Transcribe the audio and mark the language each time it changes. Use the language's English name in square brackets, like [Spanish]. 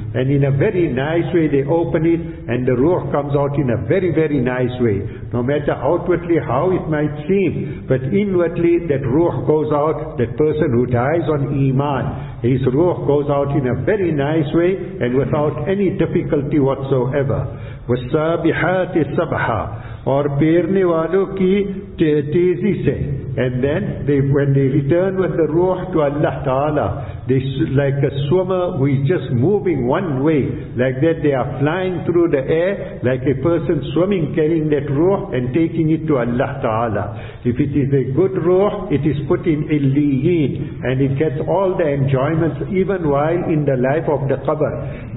[English] And in a very nice way they open it, and the ruh comes out in a very, very nice way. No matter outwardly how it might seem, but inwardly that ruh goes out, that person who dies on iman, his ruh goes out in a very nice way and without any difficulty whatsoever. [Arabic] وَالسَّابِحَاتِ سَبْحَا [Urdu] اور پیرنے والوں کی تیزی سے. [English] And then they, when they return with the ruh to Allah Ta'ala, they, like a swimmer who is just moving one way, like that they are flying through the air, like a person swimming, carrying that ruh and taking it to Allah Ta'ala. If it is a good ruh, it is put in illiyin, and it gets all the enjoyments even while in the life of the qabr.